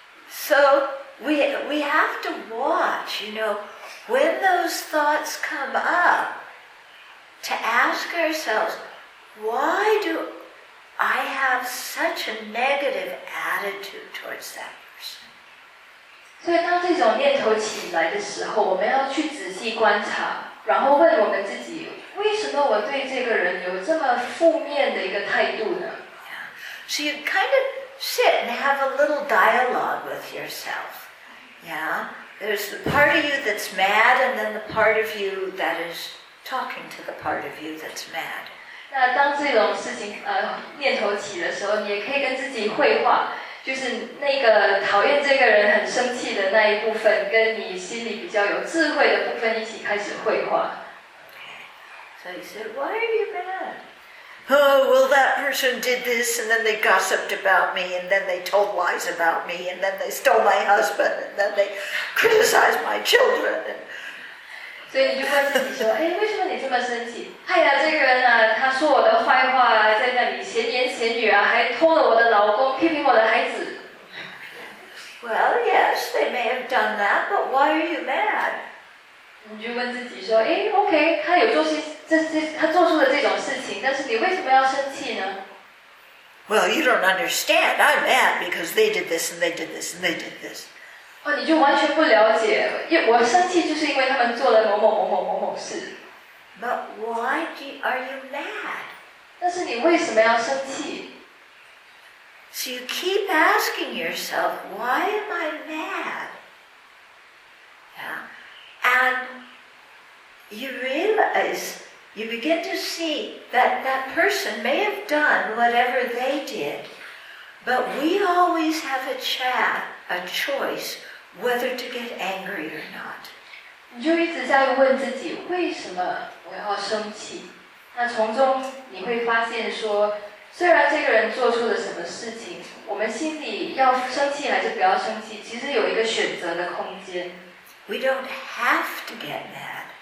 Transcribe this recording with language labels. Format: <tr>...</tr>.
<en>So we have to watch, you know, when those thoughts come up, to ask ourselves, why do I have such a negative attitude towards that?</en> <zh>所以当这种念头起来的时候，我们要去仔细观察，然后问我们自己，为什么我对这个人有这么负面的一个态度呢？</zh> <en>So you kind of sit and have a little dialogue with yourself. Yeah, there's the part of you that's mad, and then the part of you that is talking to the part of you that's mad.</en> <zh>那当这种事情念头起的时候，你也可以跟自己绘画。就是那个讨厌这个人很生气的那一部分，跟你心里比较有智慧的部分一起开始绘画。</zh> <en>So he said, "Why are you mad?" Oh, well, that person did this, and then they gossiped about me, and then they told lies about me, and then they stole my husband, and then they criticized my children.</en> <zh>所以你就问自己说，哎，为什么你这么生气？哎呀，这个人啊，他说我的坏话，在那里闲言闲语啊，还偷了我的老公，批评我的孩子。</zh> <en>Well, yes, they may have done that, but why are you mad?</en> <zh>你就问自己说，哎 ，OK， 他有做些他做出了这种事情，但是你为什么要生气呢？</zh> <en>Well, you don't understand. I'm mad because they did this and they did this and they did this.</en> <zh>哦，你就完全不了解，因我生气就是因为他们做了某某某某某某事。</zh> <en>But why are you mad?</en> <zh>但是你为什么要生气？</zh> <en>So you keep asking yourself, why am I mad? Yeah. And you realize, you begin to see that that person may have done whatever they did, but we always have a choice whether to get angry or not.</en> <zh>你就一直在问自己，为什么我要生气？那从中你会发现说，虽然这个人做出了什么事情，我们心里要生气还是不要生气，其实有一个选择的空间。</zh> <en>We don't have to get mad.</en>